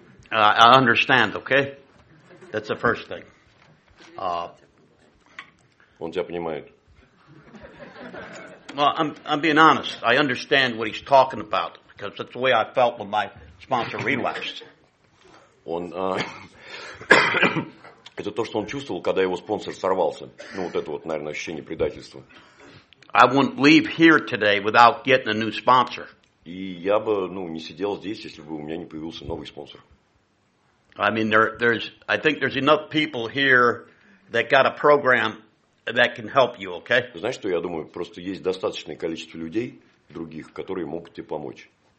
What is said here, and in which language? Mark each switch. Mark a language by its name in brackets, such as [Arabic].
[English] I understand, okay? That's the first thing. [Russian] Он тебя понимает. [English] Well, I'm being honest. I understand what he's talking about because that's the way I felt when my sponsor relapsed. [Russian] Он это то, что он чувствовал, когда его спонсор сорвался. Ну вот это вот, наверное, ощущение предательства. [English] I wouldn't leave here today without getting a new sponsor. [Russian] И я бы, ну, не сидел здесь, если бы у меня не появился новый спонсор. [English] I mean, there's, I think there's enough people here that got a program that can help you, okay? [Russian] Знаешь, что я думаю? Просто есть достаточное количество людей других, которые могут тебе помочь.